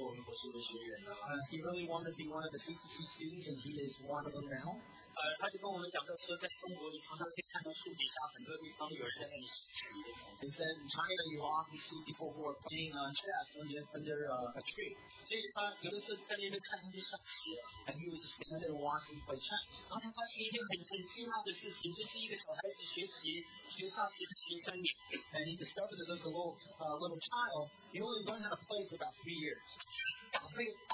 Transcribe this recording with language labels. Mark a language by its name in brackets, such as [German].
[English] He really wanted to be one of the CTC students, and he is one of them now. [Chinese] 他就跟我们讲到说，在中国你常常可以看到树底下很多地方有人在那里学习。 [English] He said in China, you often see people who are playing chess under a tree. [Chinese] 所以他有的时候在那边看上去像棋。 [English] And he was just standing there watching play chess. [Chinese] 然后他发现一件很惊讶的事情，就是一个小孩子学下棋才学三年。 [English] And he discovered that there's a little child, he only learned how to play for about 3 years.